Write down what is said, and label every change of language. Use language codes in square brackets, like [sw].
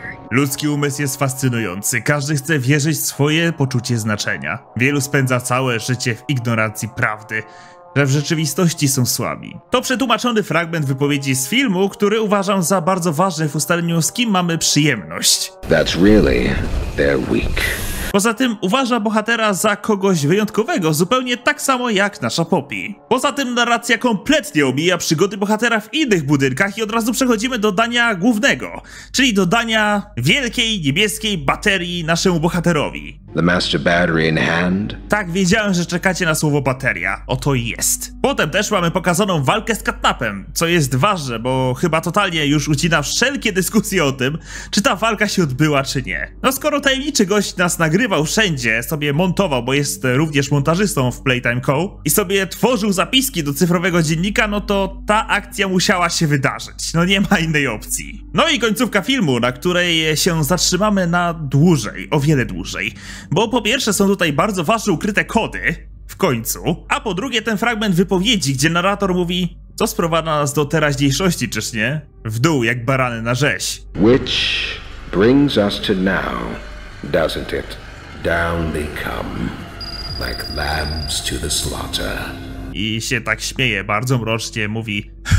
[pl] Ludzki umysł jest fascynujący. Każdy chce wierzyć w swoje poczucie znaczenia. Wielu spędza całe życie w ignorancji prawdy, że w rzeczywistości są słabi. To przetłumaczony fragment wypowiedzi z filmu, który uważam za bardzo ważny w ustaleniu, z kim mamy przyjemność. [en] That's really their weak. [pl] Poza tym uważa bohatera za kogoś wyjątkowego, zupełnie tak samo jak nasza Poppy. Poza tym narracja kompletnie omija przygody bohatera w innych budynkach i od razu przechodzimy do dania głównego, czyli do dania wielkiej niebieskiej baterii naszemu bohaterowi. [en] The master battery in hand. [pl] Tak, wiedziałem, że czekacie na słowo bateria. Oto jest. Potem też mamy pokazaną walkę z Katnapem, co jest ważne, bo chyba totalnie już ucina wszelkie dyskusje o tym, czy ta walka się odbyła, czy nie. No skoro tajemniczy gość nas nagrywał wszędzie, sobie montował, bo jest również montażystą w Playtime Co. i sobie tworzył zapiski do cyfrowego dziennika, no to ta akcja musiała się wydarzyć. No nie ma innej opcji. No i końcówka filmu, na której się zatrzymamy na dłużej, o wiele dłużej. Bo po pierwsze są tutaj bardzo ważne ukryte kody, w końcu, a po drugie ten fragment wypowiedzi, gdzie narrator mówi, co sprowadza nas do teraźniejszości, czyż nie? W dół, jak barany na rzeź. [en] Which brings us to now, doesn't it? Down they come, like lambs to the slaughter. [pl] I się tak śmieje, bardzo mrocznie mówi.